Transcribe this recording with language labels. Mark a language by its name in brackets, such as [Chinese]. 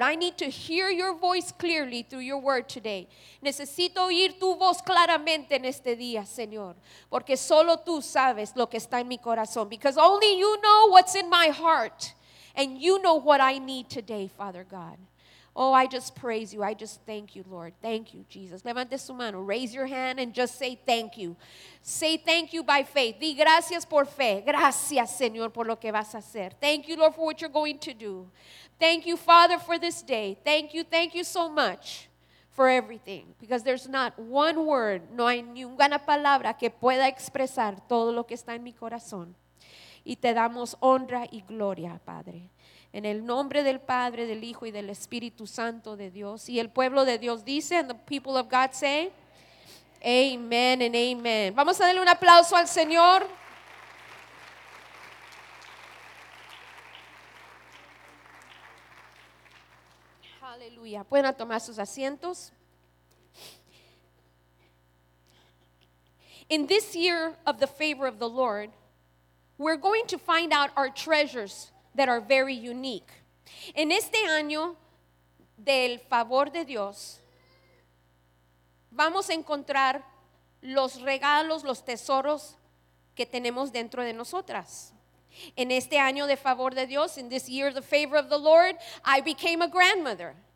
[English] I need to hear your voice clearly through your word today. [Spanish] Necesito oír tu voz claramente en este día, Señor. Porque solo tú sabes lo que está en mi corazón. [English] Because only you know what's in my heart. And you know what I need today, Father God. Oh, I just praise you. I just thank you, Lord. Thank you, Jesus. [Spanish] Levante su mano. [English] Raise your hand and just say thank you. Say thank you by faith. [Spanish] Di gracias por fe. Gracias, Señor, por lo que vas a hacer. [English] Thank you, Lord, for what you're going to do. Thank you, Father, for this day. Thank you. Thank you so much for everything. Because there's not one word, [Spanish] no hay ninguna palabra que pueda expresar todo lo que está en mi corazón. Y te damos honra y gloria, Padre. En el nombre del Padre, del Hijo y del Espíritu Santo de Dios. Y el pueblo de Dios dice, [English] and the people of God say, amen and amen. [Spanish] Vamos a darle un aplauso al Señor. Aleluya. Pueden tomar sus asientos. [English] In this year of the favor of the Lord, we're going to find out our treasures that are very unique. [Spanish] En este año del favor de Dios, vamos a encontrar los regalos, los tesoros que tenemos dentro de nosotras. En este año de favor de Dios, [English] in this year of the favor of the Lord, I became a grandmother.